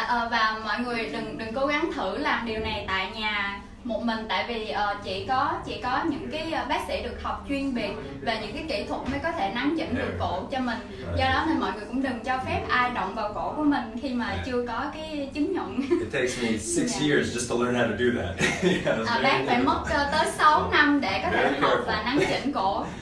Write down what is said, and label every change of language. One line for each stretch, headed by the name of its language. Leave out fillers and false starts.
Vietnamese: và mọi người đừng cố gắng thử làm điều này tại nhà một mình, tại vì chỉ có những cái bác sĩ được học chuyên biệt về những cái kỹ thuật mới có thể nắn chỉnh được cổ cho mình. Do đó nên mọi người cũng đừng cho phép ai động vào cổ của mình khi mà chưa có cái chứng nhận.
English: It takes me 6 years just to learn how to do that.
Vietnamese: Bác phải mất tới 6 năm để có thể học và nắn chỉnh cổ.